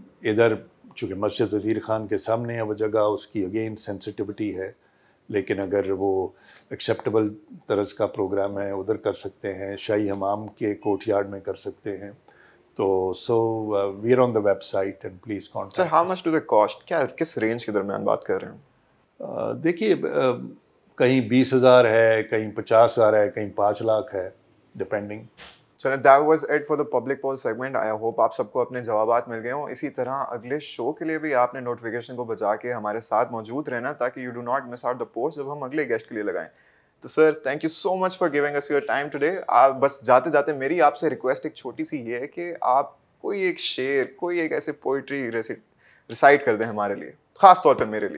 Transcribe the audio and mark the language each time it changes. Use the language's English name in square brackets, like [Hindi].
[Urdu] ادھر چونکہ مسجد وزیر خان کے سامنے ہے وہ جگہ, اس کی اگین سینسیٹیوٹی ہے, لیکن اگر وہ ایکسیپٹیبل طرز کا پروگرام ہے ادھر کر سکتے ہیں, شاہی حمام کے کورٹ یارڈ میں کر سکتے ہیں. [English] تو so we are on the website and please contact. [Urdu] Sir [English] how much do they cost, [Urdu] کیا کس رینج کے درمیان بات کر رہے ہیں؟ دیکھیے کہیں 20,000 ہے, کہیں 50,000 ہے, کہیں 5,00,000 ہے, depending. [English] So that was it for the public poll segment. I hope [Urdu] آپ سب کو اپنے جوابات مل گئے ہوں. اسی طرح اگلے شو کے لیے بھی آپ نے نوٹیفیکیشن کو بجا کے ہمارے ساتھ موجود رہنا تاکہ [English] you do not miss out the post [Urdu] جب ہم اگلے گیسٹ کے لیے لگائیں. تو sir [English] Thank you so much for giving us your time today. [Urdu] بس جاتے جاتے میری آپ سے ریکویسٹ ایک چھوٹی سی یہ ہے کہ آپ کوئی ایک شعر, کوئی ایک ایسے پوئٹری ریسائٹ کر دیں ہمارے لیے, خاص طور پہ میرے لیے.